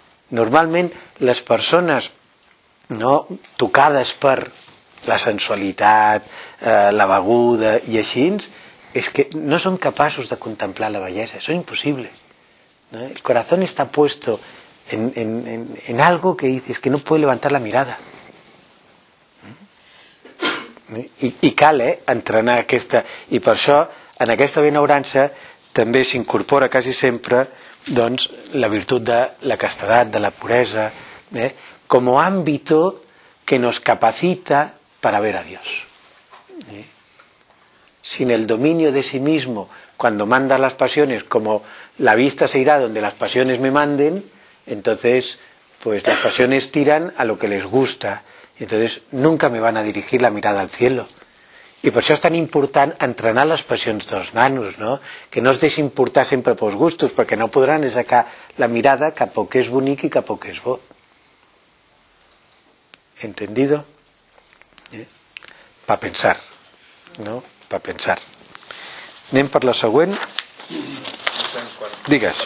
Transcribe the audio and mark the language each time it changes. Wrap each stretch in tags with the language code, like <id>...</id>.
<es>Normalmente las personas, ¿no?, tocadas por la sensualidad, la beguda y así, es que no son capaces de contemplar la belleza, eso es imposible. El corazón está puesto en algo que dices que no puede levantar la mirada.</es> <ca>I cal, entrenar aquesta. I per això, en aquesta benaurança, també s'incorpora quasi sempre, doncs, la virtut de la castedat, de la puresa, com a àmbit que</ca> <es>nos capacita</es> <ca>per a veure</ca> <es>a Dios. Sin el dominio de sí mismo, cuando mandas las pasiones, como la vista se irá donde las pasiones me manden, entonces, pues las pasiones tiran a lo que les gusta, entonces nunca me van a dirigir la mirada al cielo.</es> <ca>I per això és tan important entrenar les passions dels nanos, no? Que no es deixin portar sempre pels gustos, perquè no podran aixecar la mirada cap al que és bonic i cap al que és bo.</ca> <es>Entendido?</es> <ca>Pa pensar, no? Pa pensar. Anem per la següent. Digues.</ca>